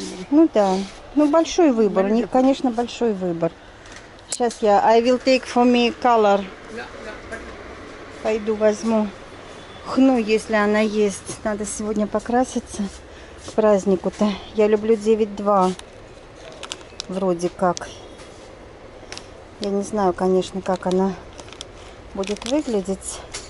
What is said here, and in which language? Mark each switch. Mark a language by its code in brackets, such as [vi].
[ru] Ну да, ну большой выбор, у них, конечно, большой выбор. Сейчас я, [en] I will take for me color. [ru] Пойду возьму хну, если она есть. Надо сегодня покраситься к празднику-то. Я люблю 9-2, вроде как. Я не знаю, конечно, как она будет выглядеть.